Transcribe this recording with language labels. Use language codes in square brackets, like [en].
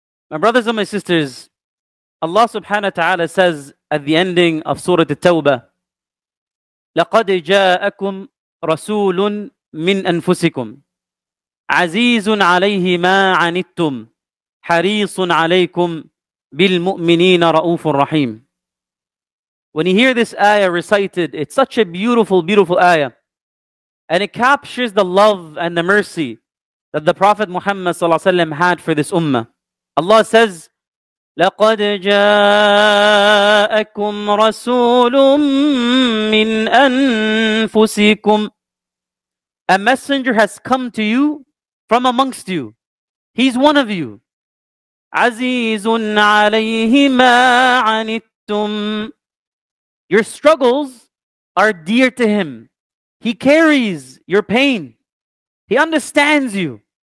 [en] My brothers and my sisters, Allah subhanahu wa ta'ala says at the ending of Surah At-Tawbah, [ar] لَقَدْ جَاءَكُمْ رَسُولٌ مِّنْ أَنفُسِكُمْ عَزِيزٌ عَلَيْهِ مَا عَنِتُّمْ حَرِيصٌ عَلَيْكُمْ بِالْمُؤْمِنِينَ رَؤُوفٌ رَحِيمٌ. [en] When you hear this ayah recited, it's such a beautiful, beautiful ayah. And it captures the love and the mercy that the Prophet Muhammad sallallahu alayhi wa sallam had for this ummah. Allah says, [ar] لَقَدْ جَاءَكُمْ رَسُولٌ مِّنْ أَنفُسِكُمْ. [en] A messenger has come to you from amongst you. He's one of you. [ar] عَزِيزٌ عَلَيْهِ مَا عَنِتُّمْ. [en] Your struggles are dear to him. He carries your pain. He understands you.